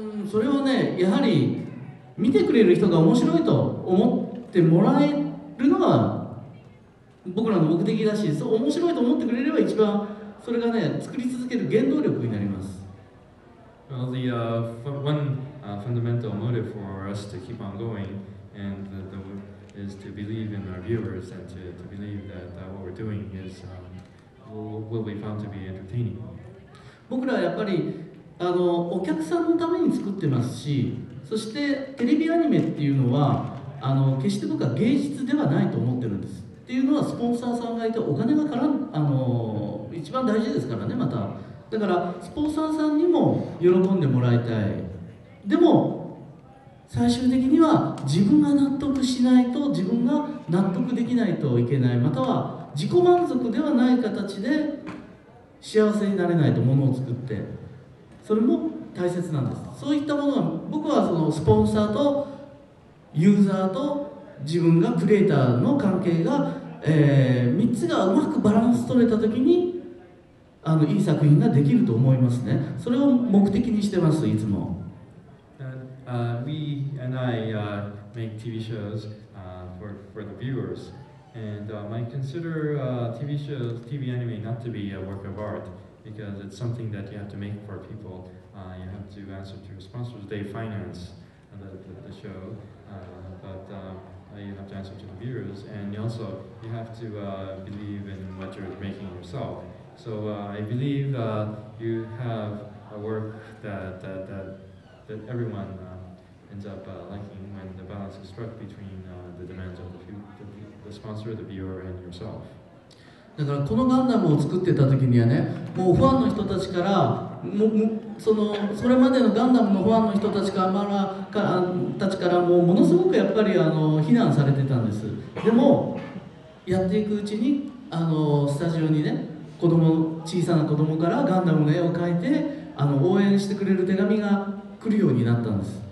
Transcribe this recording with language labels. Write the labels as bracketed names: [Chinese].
[Japanese] それをね、やはり見てくれる人が面白いと思ってもらえるのが僕らの目的だし、そう面白いと思ってくれれば一番それがね、作り続ける原動力になります。 [English] Well, the one fundamental motive for us to keep on going and the is to believe in our viewers and to believe that what we're doing is will be found to be entertaining. [Japanese] 僕らはやっぱりあのお客さんのために作ってますし、そしてテレビアニメっていうのはあの決して僕は芸術ではないと思ってるんです。っていうのはスポンサーさんがいてお金が絡ん、あの一番大事ですからね、また。だからスポンサーさんにも喜んでもらいたい。でも最終的には自分が納得しないと、自分が納得できないといけない、または自己満足ではない形で幸せになれないと、ものを作って。それも大切なんです。そういったものは僕はそのスポンサーとユーザーと自分がクリエイターの関係が、3つがうまくバランス取れた時にあのいい作品ができると思いますね。それを目的にしてます、いつも。 [English] We and I make TV shows for the viewers. And I consider TV shows, TV anime not to be a work of art. Because it's something that you have to make for people. You have to answer to your sponsors. They finance the show. But you have to answer to the viewers. And also, you have to believe in what you're making yourself. So I believe you have a work that everyone ends up liking when the balance is struck between the demands of the sponsor, the viewer, and yourself. [Japanese] だからこのガンダムを作ってた時にはね、もうファンの人たちから、それまでのガンダムのファンの人たちからもうものすごくやっぱりあの非難されてたんです。でもやっていくうちにあのスタジオにね、子供、小さな子供からガンダムの絵を描いてあの応援してくれる手紙が来るようになったんです。